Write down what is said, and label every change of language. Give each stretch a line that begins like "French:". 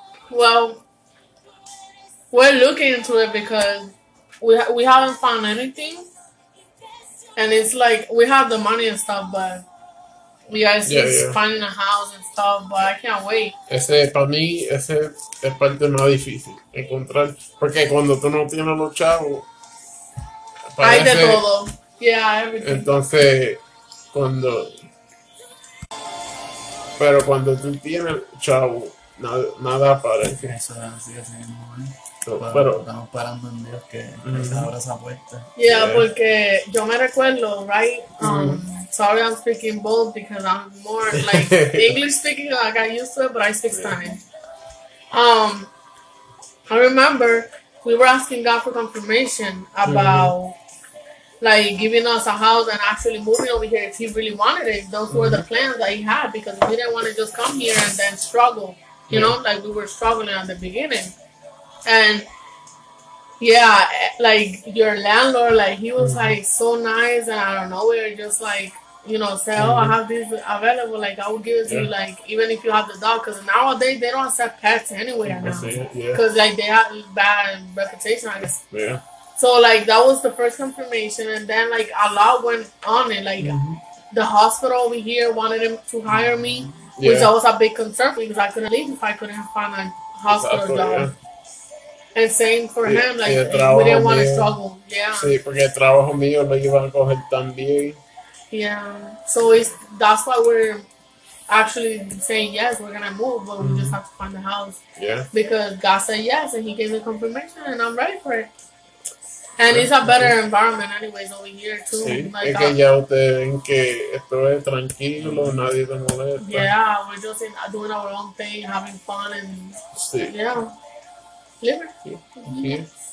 English: Well, we're looking into it because we haven't found anything. And it's like, we have the money and stuff, but finding a house and stuff, but I can't wait.
Spanish: Ese, para mí, ese es parte más difícil, encontrar, porque cuando tú no tienes los chavos, parece, hay de todo.
English: Yeah, everything.
Spanish: Entonces, cuando, pero cuando tú tienes chavos, nada parece. Eso sigue siendo bueno. Pero estamos parando en Dios que se abra esa puerta. Yeah, porque yo me recuerdo, right?
English: Sorry, I'm speaking bold because I'm more like English speaking. I got used to it, but I speak Spanish. I remember we were asking God for confirmation about like giving us a house and actually moving over here if He really wanted it. Those were the plans that He had because we didn't want to just come here and then struggle. You know, like we were struggling at the beginning. And yeah, like your landlord, like he was like so nice and out of nowhere, just like, you know, say, oh, I have this available, like, I will give it to you, like, even if you have the dog, because nowadays, they don't accept pets anywhere now, because, like, they have bad reputation, I guess. Yeah. So, like, that was the first confirmation, and then, like, a lot went on, and, like, the hospital over here wanted him to hire me, which was a big concern, because I couldn't leave if I couldn't find a hospital job. And same for him, like, we didn't want to struggle.
Spanish: Sí, porque el trabajo mío lo iban a coger también.
English: Yeah, so that's why we're actually saying yes, we're going to move, but we just have to find the house. Yeah. Because God said yes, and He gave me confirmation, and I'm ready for it. And it's a better environment anyways over here, too.
Spanish: Sí, que ya ustedes ven que esto es tranquilo, nadie te molesta.
English: Yeah, we're just doing our own thing, having fun, and living.